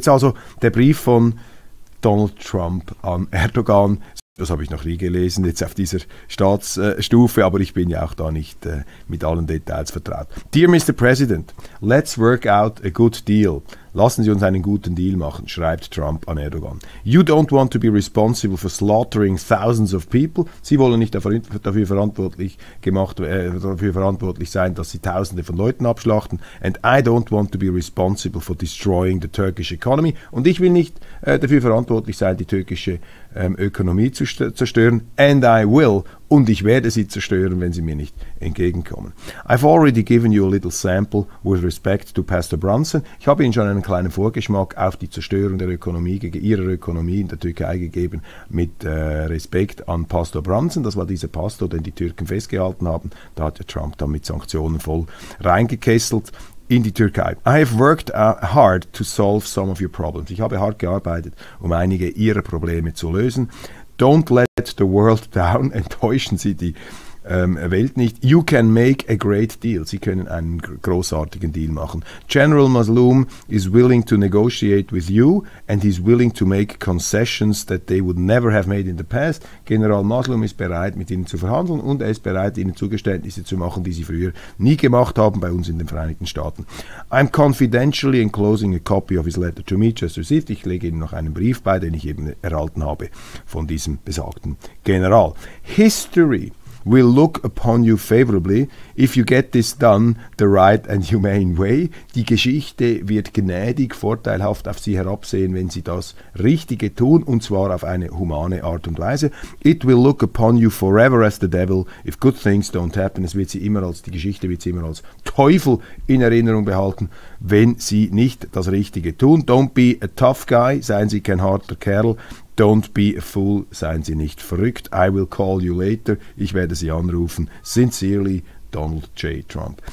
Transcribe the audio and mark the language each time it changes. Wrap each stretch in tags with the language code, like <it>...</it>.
<de>Jetzt also der Brief von Donald Trump an Erdogan. Das habe ich noch nie gelesen, jetzt auf dieser Staatsstufe, aber ich bin ja auch da nicht mit allen Details vertraut.</de> <en>Dear Mr. President, let's work out a good deal.</en> <de>Lassen Sie uns einen guten Deal machen, schreibt Trump an Erdogan.</de> <en>You don't want to be responsible for slaughtering thousands of people.</en> <de>Sie wollen nicht dafür verantwortlich gemacht, dafür verantwortlich sein, dass Sie Tausende von Leuten abschlachten.</de> <en>And I don't want to be responsible for destroying the Turkish economy.</en> <de>Und ich will nicht dafür verantwortlich sein, die türkische Ökonomie zu zerstören.</de> <en>And I will.</en> <de>Und ich werde sie zerstören, wenn sie mir nicht entgegenkommen.</de> <en>I've already given you a little sample with respect to Pastor Brunson.</en> <de>Ich habe Ihnen schon einen kleinen Vorgeschmack auf die Zerstörung der Ökonomie, Ihrer Ökonomie in der Türkei gegeben, mit Respekt an Pastor Brunson. Das war dieser Pastor, den die Türken festgehalten haben. Da hat ja Trump dann mit Sanktionen voll reingekesselt in die Türkei.</de> <en>I have worked hard to solve some of your problems.</en> <de>Ich habe hart gearbeitet, um einige Ihrer Probleme zu lösen.</de> <en>Don't let the world down.</en> <de>Enttäuschen Sie die Welt nicht.</de> <en>You can make a great deal.</en> <de>Sie können einen großartigen Deal machen.</de> <en>General Maslum is willing to negotiate with you and he's willing to make concessions that they would never have made in the past.</en> <de>General Maslum ist bereit, mit Ihnen zu verhandeln und er ist bereit, Ihnen Zugeständnisse zu machen, die Sie früher nie gemacht haben bei uns in den Vereinigten Staaten.</de> <en>I'm confidentially enclosing a copy of his letter to me, just received.</en> <de>Ich lege Ihnen noch einen Brief bei, den ich eben erhalten habe von diesem besagten General.</de> <en>History will look upon you favorably if you get this done the right and humane way.</en> <de>Die Geschichte wird gnädig, vorteilhaft auf Sie herabsehen, wenn Sie das Richtige tun, und zwar auf eine humane Art und Weise.</de> <en>It will look upon you forever as the devil if good things don't happen.</en> <de>Es wird Sie immer als, die Geschichte wird Sie immer als Teufel in Erinnerung behalten, wenn Sie nicht das Richtige tun.</de> <en>Don't be a tough guy,</en> <de>seien Sie kein harter Kerl.</de> <en>Don't be a fool,</en> <de>seien Sie nicht verrückt.</de> <en>I will call you later.</en> <de>Ich werde Sie anrufen.</de> <en>Sincerely, Donald J. Trump.</en>